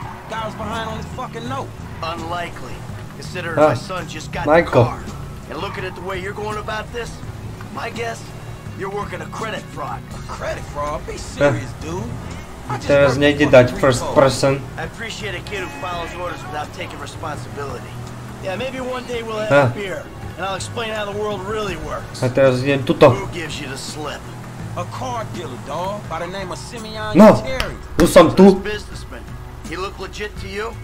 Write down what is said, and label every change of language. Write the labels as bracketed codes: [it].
[en] Guy was behind on his fucking note. Unlikely. Considering my son just got the car. And looking at the way you're going about this, my guess, you're working a credit fraud. A credit fraud? Be serious, dude. [sk] Teraz nejde dať [en] first person. I appreciate a kid who follows orders without taking responsibility. Yeah, maybe one day we'll have a beer, and I'll explain how the world really works. [sk] A teraz idem tuto. [en] Who gives you the slip? A car dealer, dog, by the name of Simeon no. Terry. [sk] No, tu som tu. [en] Businessman. He look legit to you?